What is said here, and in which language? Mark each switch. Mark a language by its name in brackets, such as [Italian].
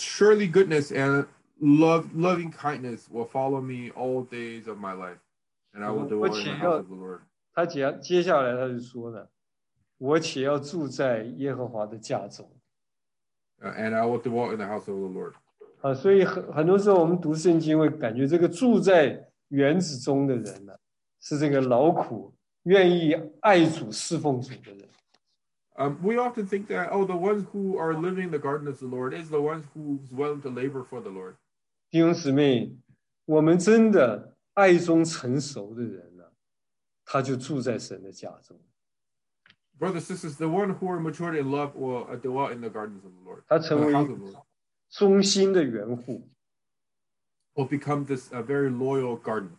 [English] Surely goodness and loving kindness will follow me all days of my life, and I will dwell in the house of the Lord. [Chinese] 他接下来他就说了。我且要住在耶和华的家中。 [English] And I will dwell in the house of the Lord. [Chinese] 所以很多时候我们读圣经会感觉这个住在园子中的人呢，是这个劳苦愿意爱主侍奉主的人。 [English] We often think that, the ones who are living in the garden of the Lord is the ones who is willing to labor for the Lord. [Chinese] 弟兄姊妹，我们真的爱中成熟的人呢，他就住在神的家中。 [English] Brothers, sisters, the one who are matured in love will dwell in the gardens of the Lord. [Chinese] 他成为忠心的园户 [English] will become this a very loyal guard.